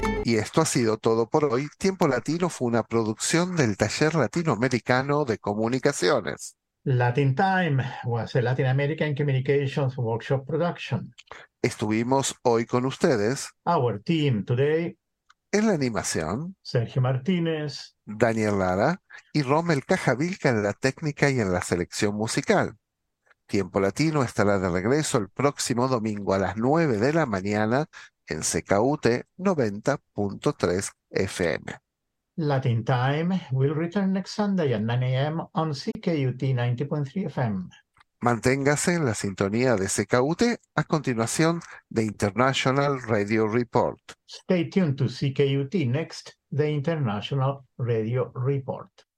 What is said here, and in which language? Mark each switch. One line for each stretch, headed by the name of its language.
Spanish: Y esto ha sido todo por hoy. Tiempo Latino fue una producción del Taller Latinoamericano de Comunicaciones.
English: Latin Time was a Latin American Communications Workshop production.
Spanish: Estuvimos hoy con ustedes.
English: Our team today.
Spanish: En la animación. Sergio Martínez. Daniel Lara. Y Rommel Cajavilca en la técnica y en la selección musical. Tiempo Latino estará de regreso el próximo domingo a las 9 de la mañana en CKUT 90.3 FM.
English: Latin Time will return next Sunday at 9 a.m. on CKUT 90.3 FM.
Spanish: Manténgase en la sintonía de CKUT a continuación de International Radio Report.
English: Stay tuned to CKUT next, the International Radio Report.